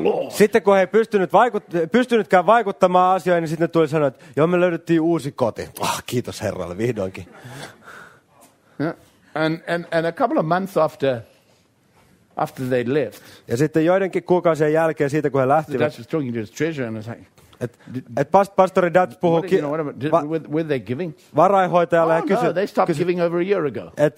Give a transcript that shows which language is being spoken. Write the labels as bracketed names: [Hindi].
[Finnish] Sitten kun he pystynytkään vaikuttamaan asioihin, niin sitten tuli sanoa, että joo, me löydettiin uusi koti. Oh, kiitos herralle vihdoinkin. [English] Yeah. And a couple of months after they left. [Finnish] Ja sitten joidenkin kuukausien jälkeen siitä, kun he lähtivät. [English] Dutch was talking to his treasurer and was like, [Finnish] pastori Dutch puhui. [English] Were they giving? [Finnish] Varainhoitajalle ja kysyi. [English] They stopped giving over a year ago.